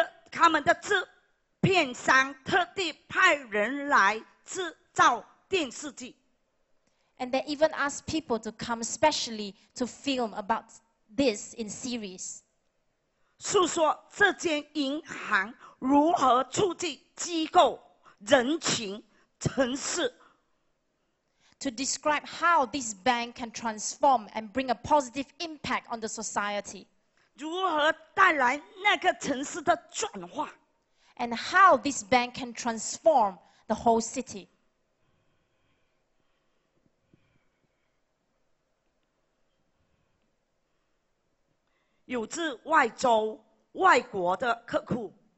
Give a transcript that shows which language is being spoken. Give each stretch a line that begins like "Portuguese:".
Chinese: 他们的制片商特地派人来制造电视机。
English: And they even asked people to come specially to film about this in series.
Chinese: 诉说这间银行如何促进机构、人群、城市。
English: To describe how this bank can transform and bring a positive impact on the society.
Chinese: 如何带来那个城市的转化
English: ？And how this bank can transform the whole city？
Chinese: 有自外州外国的客户。